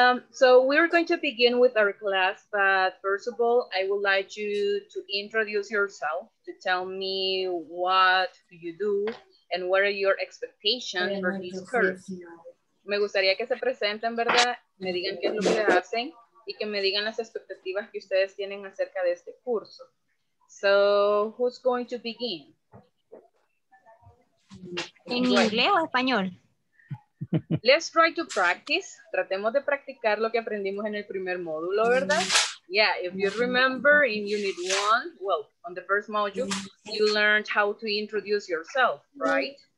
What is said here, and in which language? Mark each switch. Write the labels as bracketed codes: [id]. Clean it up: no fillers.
[en] So we're going to begin with our class, but first of all, I would like you to introduce yourself, to tell me what you do and what are your expectations for this course. [es] Me gustaría que se presenten, ¿verdad? Me digan qué es lo que hacen. Y que me digan las expectativas que ustedes tienen acerca de este curso. [en] So, who's going to begin? [es] ¿En inglés o español? [en] Let's try to practice. [es] Tratemos de practicar lo que aprendimos en el primer módulo, ¿verdad? [en] Yeah, if you remember in unit one, well, on the first module, you learned how to introduce yourself, right?